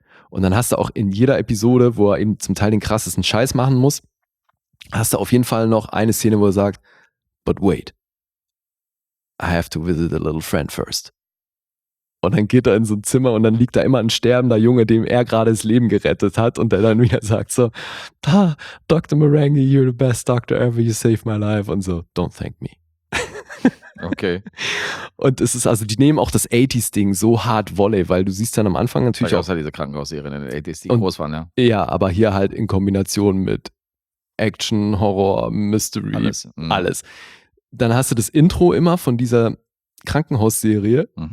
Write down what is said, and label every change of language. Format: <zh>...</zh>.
<de>Und dann hast du auch in jeder Episode, wo er eben zum Teil den krassesten Scheiß machen muss, hast du auf jeden Fall noch eine Szene, wo er sagt,</de> <en>but wait, I have to visit a little friend first.</en> <de>Und dann geht er in so ein Zimmer und dann liegt da immer ein sterbender Junge, dem er gerade das Leben gerettet hat und der dann wieder sagt so, da, Dr.</de> <en>Marenghi, you're the best doctor ever, you saved my life</en> <de>und so,</de> <en>don't thank me.</en> <de>Okay. Und es ist also, die nehmen auch das 80s-Ding so hart Volley, weil du siehst dann am Anfang natürlich auch diese Krankenhausserien in den 80s, die groß waren, ja. Ja, aber hier halt in Kombination mit Action, Horror, Mystery, alles. Dann hast du das Intro immer von dieser Krankenhausserie.</de>